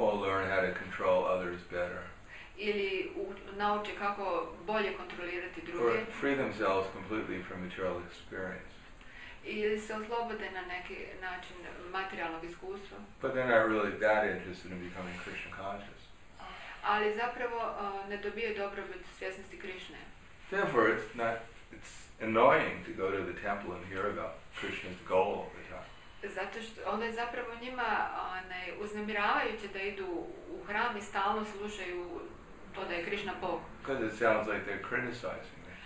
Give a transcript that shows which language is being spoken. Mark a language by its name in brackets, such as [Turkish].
[English] Or learn how to control others better. [Croatian] Ili nauče kako bolje kontrolirati druge. [English] Or free themselves completely from material experience. [Croatian] Ili se oslobode na neki način materijalnog iskustva. [English] But they're not really that interested in becoming Krishna conscious. [Croatian] Ali zapravo ne dobije dobrobit svjesnosti Krishne. [English] Therefore, it's annoying to go to the temple and hear about Krishna's goal all the time. [Croatian] Zato što onda je zapravo njima uznemiravajuće da idu u hram i stalno slušaju to da je Krishna Bog. [English] Because it sounds like they're criticizing me.